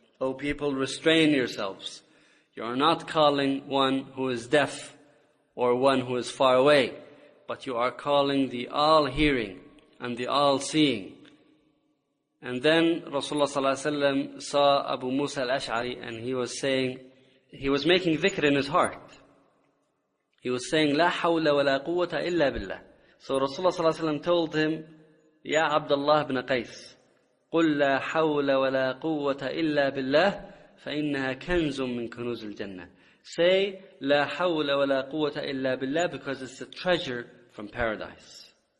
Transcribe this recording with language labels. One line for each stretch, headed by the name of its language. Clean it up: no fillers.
English: O people, restrain yourselves. You are not calling one who is deaf or one who is far away, but you are calling the all-hearing and the all-seeing. And then Rasulullah sallallahu alayhi wa sallam saw Abu Musa al-Ash'ari, and he was saying, he was making dhikr in his heart. He was saying,
Arabic: لَا حَوْلَ وَلَا قُوَّةَ إِلَّا بِاللَّهِ.
English: So Rasulullah sallallahu alayhi wa sallam told him,
Arabic: Ya Abdullah ibn Qais, قُلْ لَا حَوْلَ وَلَا قُوَّةَ إِلَّا بِاللَّهِ فَإِنَّهَا كَنْزٌ مِّن كُنُوزِ الْجَنَّةِ.
English: Say,
Arabic: لَا حَوْلَ وَلَا قُوَّةَ إِلَّا بِاللَّهِ,
English: because it's a treasure from paradise.